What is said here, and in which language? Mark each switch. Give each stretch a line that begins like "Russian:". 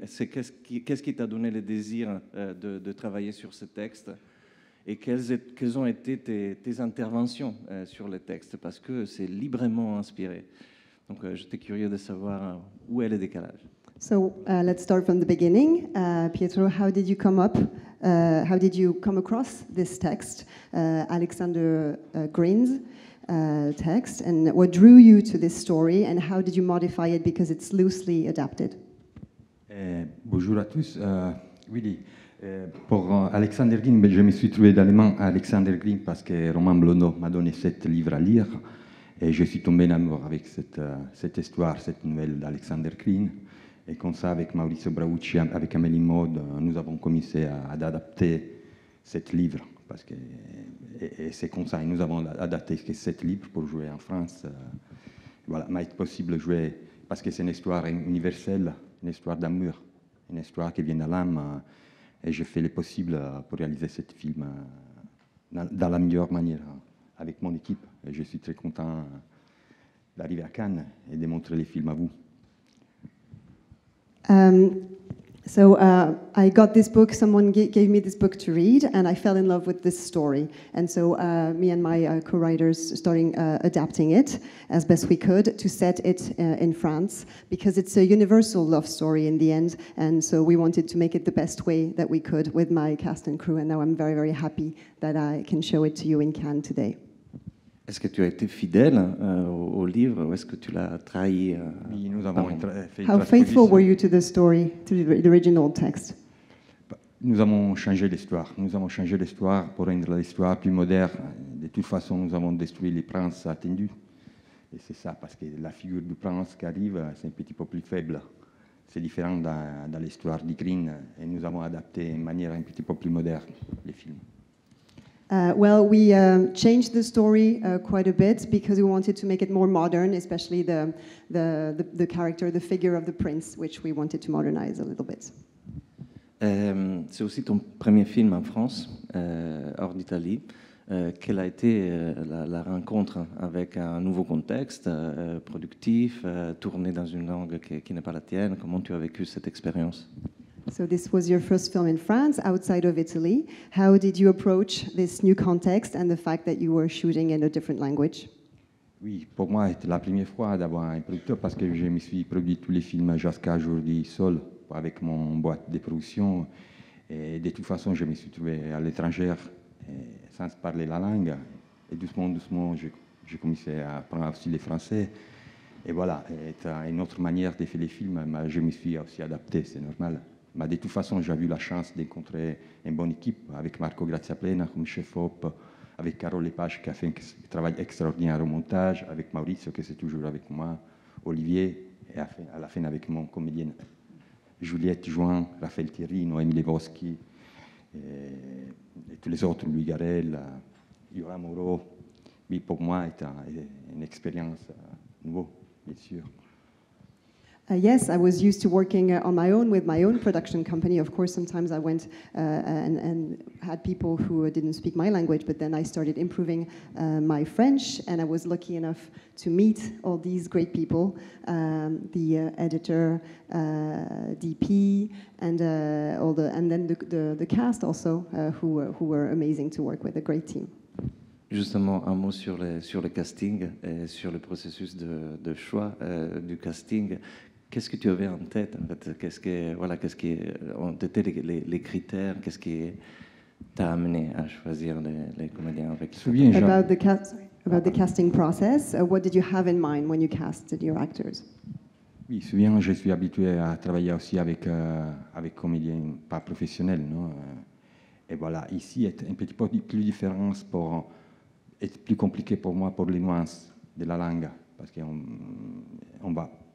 French: Qu'est-ce qui t'a donné le désir de travailler sur ce texte, et quelles ont été tes interventions sur le texte, parce que c'est librement inspiré. Donc j'étais curieux de savoir où est le décalage.
English: So let's start from the beginning. Pietro, how did you come up? How did you come across this text, Alexander Grimm's text? And what drew you to this story? And how did you modify it because it's loosely adapted?
French: Bonjour à tous. Really, pour Alexander Grimm, je me suis trouvé dans les mains à Alexander Grimm parce que Romain Blonneau m'a donné sept livres à lire, et je suis tombé en amour avec cette histoire, cette nouvelle d'Alexander Grimm. Et comme ça, avec Maurizio Braucci, avec Amélie Maude, nous avons commencé à adapter cette livre. Parce que, et c'est comme ça, et nous avons adapté cette livre pour jouer en France. Voilà, mais est-ce possible de jouer, parce que c'est une histoire universelle, une histoire d'amour, une histoire qui vient de l'âme. Et je fais le possible pour réaliser ce film dans la meilleure manière, avec mon équipe. Et je suis très content d'arriver à Cannes et de montrer les films à vous.
English: So I got this book, someone gave me this book to read, and I fell in love with this story. And so me and my co-writers starting adapting it as best we could to set it in France, because it's a universal love story in the end. And so we wanted to make it the best way that we could with my cast and crew. And now I'm very, very happy that I can show it to you in Cannes today.
French: Est-ce que tu as été fidèle au livre, ou est-ce que tu l'as trahi? Oui, nous avons fait une transposition.
English: How faithful were you to the story, to the original text?
French: Nous avons changé l'histoire. Nous avons changé l'histoire pour rendre l'histoire plus moderne. De toute façon, nous avons détruit les princes attendus. Et c'est ça, parce que la figure du prince qui arrive, c'est un petit peu plus faible. C'est différent dans l'histoire de Grimm. Et nous avons adapté de manière un petit peu plus moderne les films.
English: Well, we changed the story quite a bit because we wanted to make it more modern, especially the character, the figure of the prince, which we wanted to modernize a little bit.
French: C'est aussi ton premier film en France, hors d'Italie. Quelle a été la rencontre avec un nouveau contexte, productif, tourné dans une langue qui n'est pas la tienne? Comment tu as vécu cette expérience?
English: So this was your first film in France, outside of Italy. How did you approach this new context and the fact that you were shooting in a different language?
French: Oui, pour moi, c'était la première fois d'avoir un producteur, parce que je me suis produit tous les films jusqu'à aujourd'hui seul, avec mon boîte de production. Et de toute façon, je me suis trouvé à l'étranger, sans parler la langue. Et doucement, j'ai commencé à apprendre aussi le français. Et voilà, c'est une autre manière de faire les films, mais je me suis aussi adapté, c'est normal. Mais de toute façon, j'ai eu la chance d'encontrer une bonne équipe avec Marco Graziaplena comme chef op, avec Carole Lepage qui a fait un travail extraordinaire au montage, avec Maurizio qui est toujours avec moi, Olivier, et à la fin avec mon comédien Juliette Jouin, Raphaël Thierry, Noémie Levoski, et tous les autres, Louis Garel, Yura Moreau. Oui, pour moi, c'est une expérience nouvelle, bien sûr.
English: Yes, I was used to working on my own with my own production company. Of course, sometimes I went and had people who didn't speak my language, but then I started improving my French, and I was lucky enough to meet all these great people, the editor, DP, and all the, and then the cast also, who were amazing to work with, a great team.
French: Justement, un mot sur le casting et sur le processus de choix du casting. Qu'est-ce que tu avais en tête en fait? Qu'est-ce que voilà, qu'est-ce qui ont été les critères? Qu'est-ce qui t'a amené à choisir les comédiens avec ce bien genre?
English: About the cast, about the casting process, what did you have in mind when you casted your actors?
French: Oui, souviens, je suis habitué à travailler aussi avec avec comédiens pas professionnels, non? Et voilà, ici est un petit peu plus différent, pour être plus compliqué pour moi pour les nuances de la langue, parce qu'on on va.